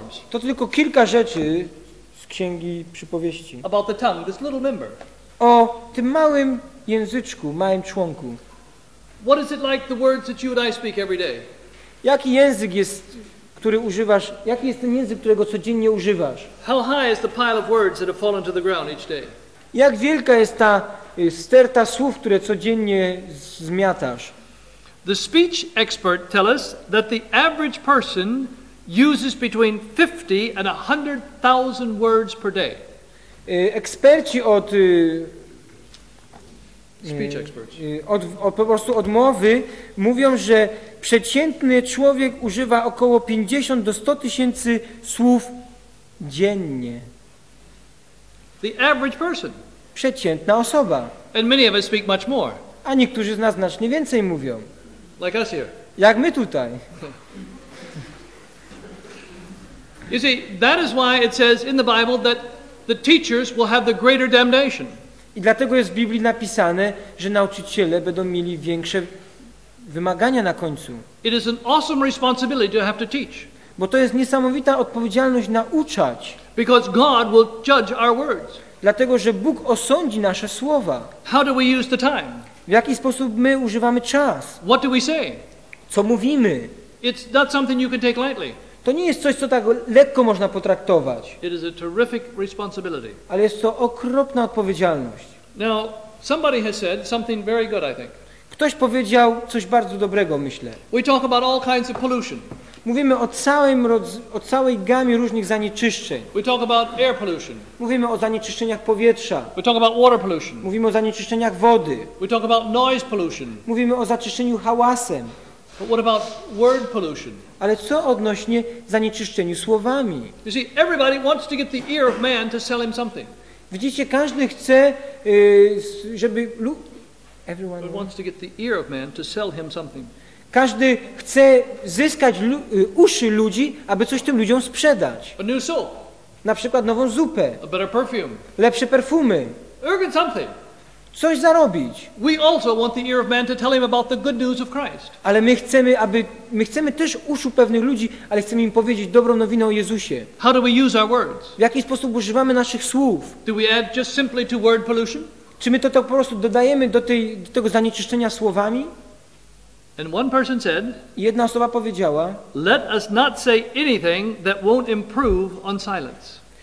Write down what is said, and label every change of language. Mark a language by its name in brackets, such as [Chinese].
[Polish] To tylko kilka rzeczy z Księgi Przypowieści. [English] About the tongue, this little member. [Polish] O tym małym języczku, małym członku. [English] What is it like the words that you and I speak every day? [Polish] Jaki język jest, który używasz? Jaki jest ten język, którego codziennie używasz? [English] How high is the pile of words that have fallen to the ground each day? [Polish] Jak wielka jest ta sterta słów, które codziennie zmiatasz? [English] The speech experts tell us that the average person uses between 50 and 100,000 words per day. [Polish] Eksperci od [English] speech experts [Polish] po prostu od mowy mówią, że przeciętny człowiek używa około 50 do 100 tysięcy słów dziennie. [English] The average person. [Polish] Przeciętna osoba. [English] And many of us speak much more. [Polish] A niektórzy z nas znacznie więcej mówią. [English] Like us here. [Polish] Jak my tutaj. [English] You see, that is why it says in the Bible that the teachers will have the greater damnation. [Polish] I dlatego jest w Biblii napisane, że nauczyciele będą mieli większe wymagania na końcu. [English] It is an awesome responsibility to have to teach. [Polish] Bo to jest niesamowita odpowiedzialność nauczać. [English] Because God will judge our words. [Polish] Dlatego, że Bóg osądzi nasze słowa. [English] How do we use the time? [Polish] W jaki sposób my używamy czas? [English] What do we say? [Polish] Co mówimy? [English] It's not something you can take lightly. [Polish] To nie jest coś, co tak lekko można potraktować. [English] It is a terrific responsibility. [Polish] Ale jest to okropna odpowiedzialność. [English] Now, somebody has said something very good, I think. [Polish] Ktoś powiedział coś bardzo dobrego, myślę. [English] We talk about all kinds of pollution. [Polish] Mówimy o całej gamie różnych zanieczyszczeń. [English] We talk about air pollution. [Polish] Mówimy o zanieczyszczeniach powietrza. [English] We talk about water pollution. [Polish] Mówimy o zanieczyszczeniach wody. [English] We talk about noise pollution. [Polish] Mówimy o zanieczyszczeniu hałasem. [English] But what about word pollution? [Polish] Ale co odnośnie zanieczyszczeniu słowami? [English] You see, everybody wants to get the ear of man to sell him something. [Polish] Widzicie, każdy chce, żeby [English] everyone wants to get the ear of man to sell him something. [Polish] Każdy chce zyskać uszy ludzi, aby coś tym ludziom sprzedać. [English] A new soap. [Polish] Na przykład nową zupę. [English] A better perfume. [Polish] Lepsze perfumy. [English] Earn something. [Polish] Coś zarobić. [English] We also want the ear of man to tell him about the good news of Christ. [Polish] Ale my chcemy też uszu pewnych ludzi, ale chcemy im powiedzieć dobrą nowinę o Jezusie. [English] How do we use our words? [Polish] W jaki sposób używamy naszych słów? [English] Do we add just simply to word pollution? [Polish] Czy my to po prostu dodajemy do tego zanieczyszczenia słowami? [English] And one person said, [Polish] jedna osoba powiedziała, [English] let us not say anything that won't improve on silence.